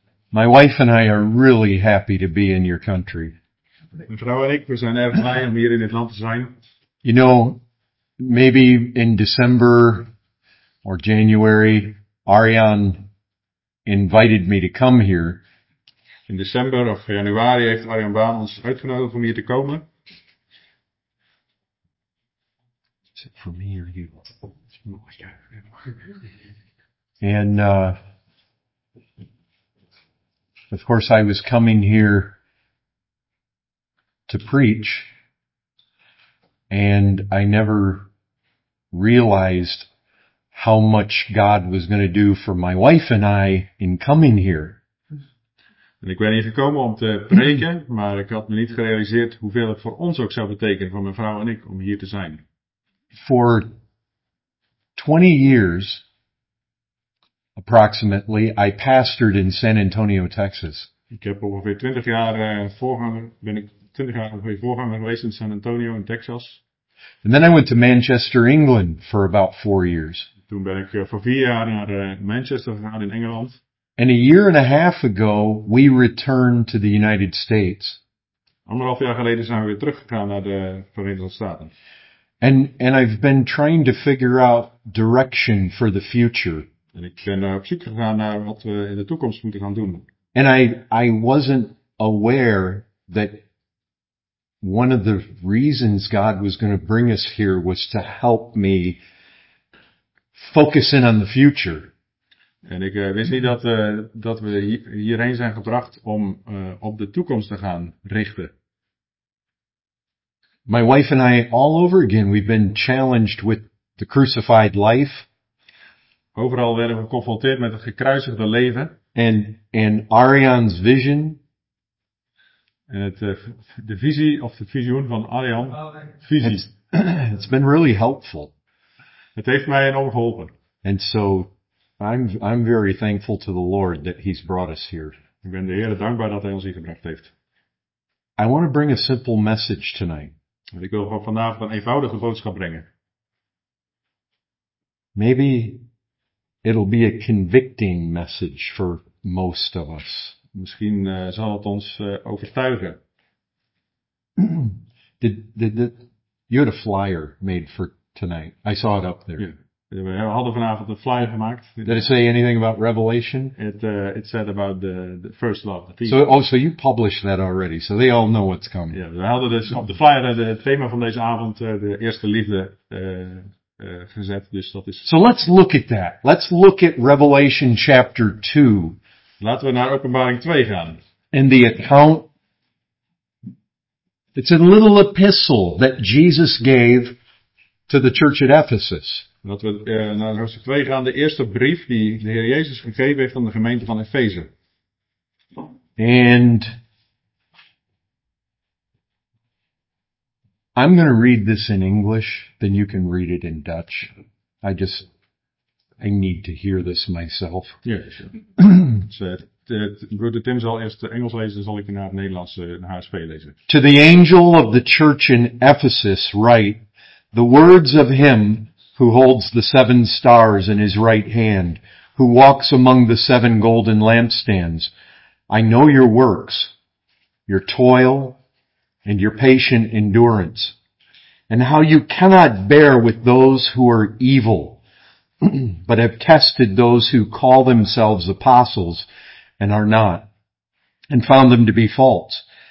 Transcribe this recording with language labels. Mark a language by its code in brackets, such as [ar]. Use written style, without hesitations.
[en] My wife and I are really happy to be in your country. [nl] Mijn vrouw en ik, we zijn erg blij om hier in dit land te zijn. [en] You know, maybe in December or January, Arjan invited me to come here. [nl] In december of januari heeft Arjan Baan ons uitgenodigd om hier te komen. [en] Is it for me or you? And of course I was coming here to preach, and I never realized how much God was going to do for my wife and I in coming here. [nl] En ik ben hier gekomen om te preken, maar ik had me niet gerealiseerd hoeveel het voor ons ook zou betekenen, voor mijn vrouw en ik, om hier te zijn. [en] For 20 years, approximately, I pastored in San Antonio, Texas. [nl] Ik heb ongeveer 20 jaar voorganger geweest in San Antonio in Texas. [en] And then I went to Manchester, England for about 4 years. [nl] Toen ben ik voor 4 jaar naar Manchester gegaan in Engeland. [en] And a year and a half ago, we returned to the United States. [nl] Anderhalf jaar geleden zijn we weer teruggegaan naar de Verenigde Staten. [en] And I've been trying to figure out direction for the future. [nl] En ik ben op zoek gegaan naar wat we in de toekomst moeten gaan doen. [en] And I wasn't aware that one of the reasons God was going to bring us here was to help me focus in on the future. [nl] En ik wist niet dat we hierheen zijn gebracht om op de toekomst te gaan richten. [en] My wife and I, all over again, we've been challenged with the crucified life. [nl] Overal werden we geconfronteerd met het gekruisigde leven. [en] And Arjan's vision. [nl] En de visioen van Arjan. Visie. [en] It's been really helpful. [nl] Het heeft mij enorm geholpen. [en] And so I'm very thankful to the Lord that he's brought us here. [nl] Ik ben de Heer dankbaar dat hij ons hier gebracht heeft. [en] I want to bring a simple message tonight. [nl] Ik wil gewoon vanavond een eenvoudige boodschap brengen. [en] Maybe it'll be a convicting message for most of us. [nl] Misschien zal het ons overtuigen. [en] You had a flyer made for tonight. I saw it up there. Yeah. [nl] We hadden vanavond een flyer gemaakt. [en] Did it say anything about Revelation? It said about the first love. The so, oh, so you published that already, so they all know what's coming. [nl] Yeah, we hadden dus op de flyer het thema van deze avond, de eerste liefde, gezet. Dus dat is... [en] So let's look at that. Let's look at Revelation chapter 2. [nl] Laten we naar Openbaring 2 gaan. [en] In the account, it's a little epistle that Jesus gave to the church at Ephesus. [nl] Laten we naar hoofdstuk 2 gaan, de eerste brief die de Heer Jezus gegeven heeft aan de gemeente van Efeze. [en] And I'm going to read this in English, then you can read it in Dutch. I need to hear this myself. [nl] Broeder Tim zal eerst Engels lezen, dan zal ik naar het Nederlands HSP lezen. [en] To the angel of the church in Ephesus write the words of him who holds the 7 stars in his right hand, who walks among the 7 golden lampstands. I know your works, your toil, and your patient endurance, and how you cannot bear with those who are evil, but have tested those who call themselves apostles and are not, and found them to be false.